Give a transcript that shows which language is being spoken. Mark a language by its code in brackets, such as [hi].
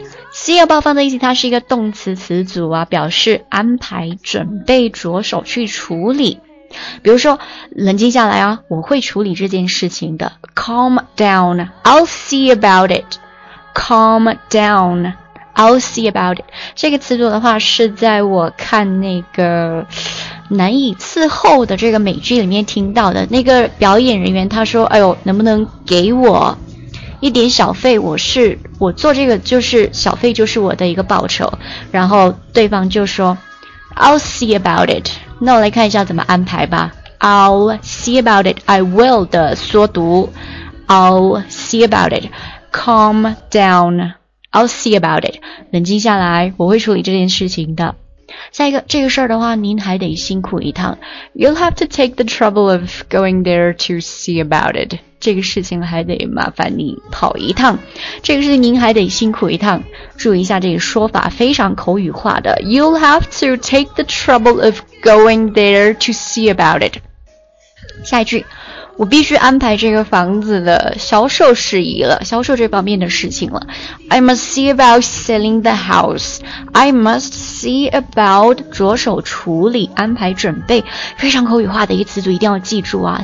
[zh] See about 放在一起，它是一个动词词组啊，表示安排、准备、着手去处理。比如说，冷静下来啊，我会处理这件事情的。 [en] Calm down, I'll see about it. Calm down, I'll see about it. [zh] 这个词组的话，是在我看那个难以伺候的这个美剧里面听到的。那个表演人员他说：“哎呦，能不能给我？” 一点小费，我做这个就是小费，就是我的一个报酬。然后对方就说 [en] I'll see about it， [zh] 那我来看一下怎么安排吧。 [en] I'll see about it， I will [zh] 的缩读， [en] I'll see about it， calm down， I'll see about it， [zh] 冷静下来，我会处理这件事情的。下一个，这个事儿的话您还得辛苦一趟， [en] You'll have to take the trouble of going there to see about it， [zh] 这个事情还得麻烦你跑一趟，这个事情您还得辛苦一趟。注意一下这个说法，非常口语化的 [en] You'll have to take the trouble of going there to see about it。 [zh] 下一句，我必须安排这个房子的销售事宜了，销售这方面的事情了。 [en] I must see about selling the house. I must see about [zh] 着手处理、安排准备，非常口语化的一个词组，一定要记住啊。